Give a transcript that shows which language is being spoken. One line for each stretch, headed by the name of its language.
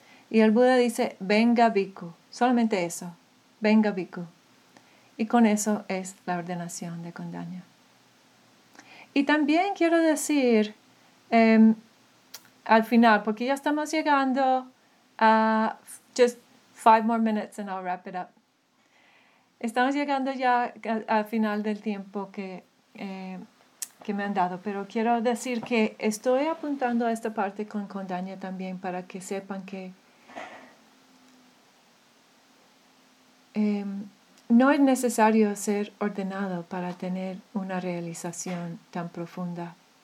Spanish: Y el Buda dice, venga Bhikkhu, solamente eso, venga Bhikkhu. Y con eso es la ordenación de Kondanya. Y también quiero decir, al final, porque ya estamos llegando a...
English: Just 5 more minutes and I'll wrap it up.
Spanish: Estamos llegando ya al final del tiempo que me han dado, pero quiero decir que estoy apuntando a esta parte con Kondanya también para que sepan que no es necesario ser ordenado para tener una realización tan profunda.